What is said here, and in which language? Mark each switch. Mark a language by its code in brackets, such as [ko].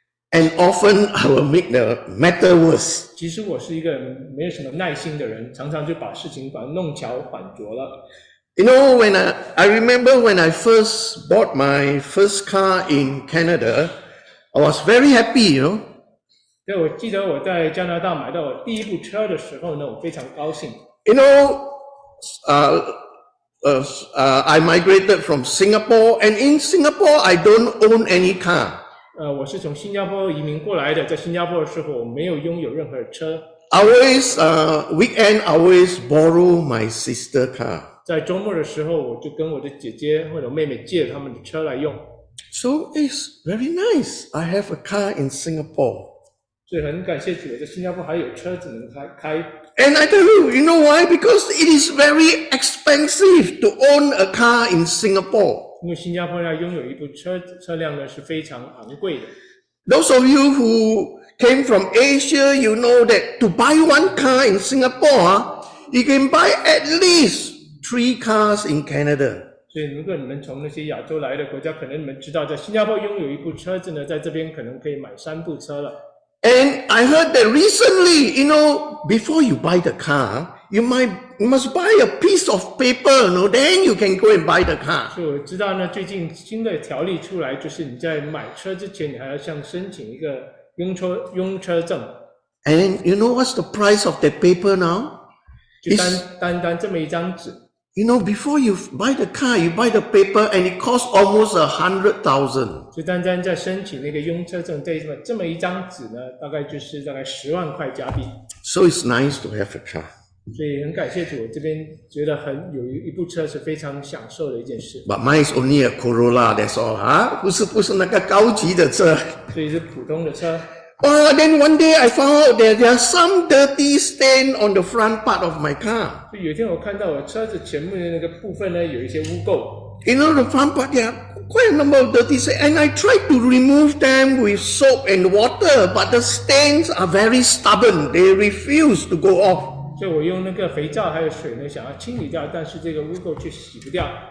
[en] And often I will make the matter worse. [zh] 其实我是一个没有什么耐心的人，常常就把事情把它弄巧反拙了。 [en] You know, when I remember when I first bought my first car in Canada, I was very happy, you know. [zh] 对，我记得我在加拿大买到我第一部车的时候呢，我非常高兴。 [en] You know, I migrated from Singapore, and in Singapore, I don't own any car. [zh] 我是从新加坡移民过来的，在新加坡的时候，我没有拥有任何车。 [en] Always, weekend, always borrow my sister car. [zh] 在周末的时候，我就跟我的姐姐或者妹妹借他们的车来用。 [en] So it's very nice. I have a car in Singapore. [zh] 所以很感谢主，我在新加坡还有车子能开。 [en] And I tell you, you know why? Because it is very expensive to own a car in Singapore. [zh] 因为新加坡要拥有一部车辆呢是非常昂贵的。 [en] Those of you who came from Asia, you know that to buy one car in Singapore, you can buy at least three cars in Canada. [zh] 所以如果你们从那些亚洲来的国家，可能你们知道，在新加坡拥有一部车子呢，在这边可能可以买三部车了。 [en] And I heard that recently, you know, before you buy the car, you must buy a piece of paper, you know, then you can go and buy the car. [zh] 所以我知道呢，最近新的条例出来，就是你在买车之前，你还要向申请一个拥车证。 [en] And you know what's the price of that paper now? [zh] 就单单这么一张纸。 [en] You know, before you buy the car, you buy the paper, and it costs almost $100,000. [zh] 就单单在申请那个拥车证，这么一张纸呢，大概就是大概10万块加币。 [en] So it's nice to have a car. [zh] 所以很感谢主，我这边觉得很有一部车是非常享受的一件事。 [en] But mine is only a Corolla, that's all, huh? [zh] 不是那个高级的车。所以是普通的车。 [en] Oh, then one day I found out that there are some dirty stain on the front part of my car. [zh] 就有一天我看到我车子前面的那个部分呢，有一些污垢。 [en] You know the front part, there are quite a number of dirty stains, and I tried to remove them with soap and water, but the stains are very stubborn. They refuse to go off. [zh] 所以我用那个肥皂还有水呢，想要清理掉，但是这个污垢却洗不掉。